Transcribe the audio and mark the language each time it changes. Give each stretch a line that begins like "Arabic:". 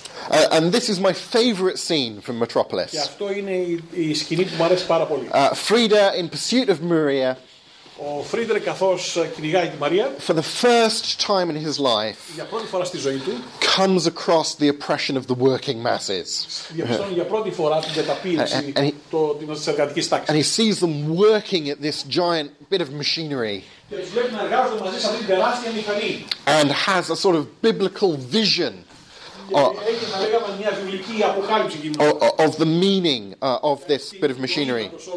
English: And this is my favorite scene from Metropolis. Frida in pursuit of Maria.
Greek: Ο Φρίντερ, καθώς κυνηγάει τη Μαρία,
English: for the first time in his life,
Greek: για πρώτη φορά στη ζωή του,
English: comes across the oppression of the working masses.
Greek: Διαπιστώνει για πρώτη φορά την καταπίεση της εργατικής τάξης.
English: And he sees them working at this giant bit of machinery.
Greek: Και τους βλέπει να εργάζονται μαζί σε αυτήν την τεράστια μηχανή.
English: And has a sort of biblical vision. Of the meaning of this bit of machinery.